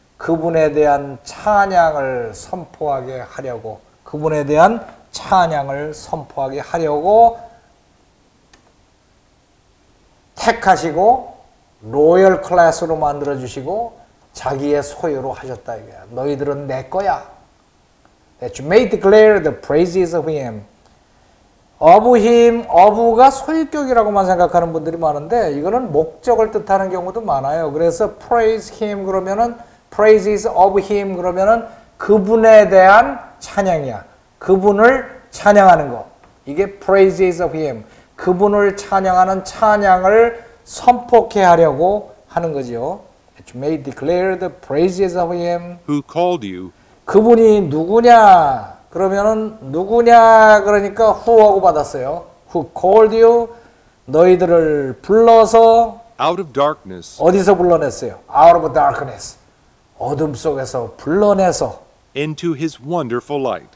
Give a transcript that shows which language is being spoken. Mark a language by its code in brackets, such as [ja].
[ko] 그분에 대한 찬양을 선포하게 하려고. 그분에 대한 찬양을 선포하게 하려고 택하시고 로열 클래스로 만들어주시고 자기의 소유로 하셨다 이거야. 너희들은 내 거야. [en] That you may declare the praises of him. Of him, [ko] of가 소유격이라고만 생각하는 분들이 많은데 이거는 목적을 뜻하는 경우도 많아요. 그래서 [en] praise him [ko] 그러면은 [en] praises of him [ko] 그러면은 그분에 대한 찬양이야. 그분을 찬양하는 거. 이게 [en] praises of him. [ko] 그분을 찬양하는 찬양을 선포케 하려고 하는 거죠. [en] That you may declare the praises of him. Who called you? [ko] 그분이 누구냐? 그러면은 누구냐? 그러니까 후하고 받았어요. [en] Who called you? [ko] 너희들을 불러서 [en] out of darkness. [ko] 어디서 불러냈어요? [en] Out of darkness. [ko] 어둠 속에서 불러내서 [en] into his wonderful light.